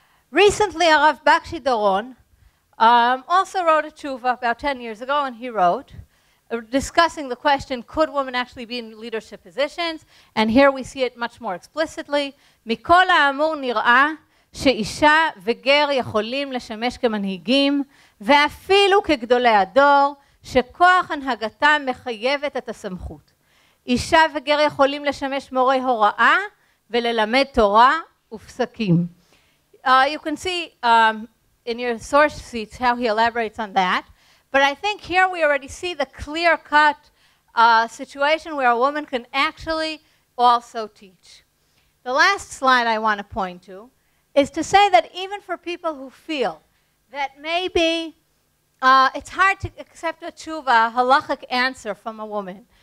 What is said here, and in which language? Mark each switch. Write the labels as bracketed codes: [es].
[en] Recently, Arav Bakshi Doron also wrote a tshuva about 10 years ago, and he wrote, discussing the question, could women actually be in leadership positions? And here we see it much more explicitly. [he] Mikol ha'amur nir'a she'isha ve'ger yacholim l'shemesh ke'manhigim ואפילו כגדולי הדור, שכוח הנהגתם מחייבת את הסמכות. אישה וגר יכולים לשמש מורי הוראה וללמד תורה ופסקים. [en] You can see in your source sheets how he elaborates on that, but I think here we already see the clear-cut situation where a woman can actually also teach. The last slide I want to point to is to say that even for people who feel that maybe it's hard to accept a tshuva, a halachic answer from a woman.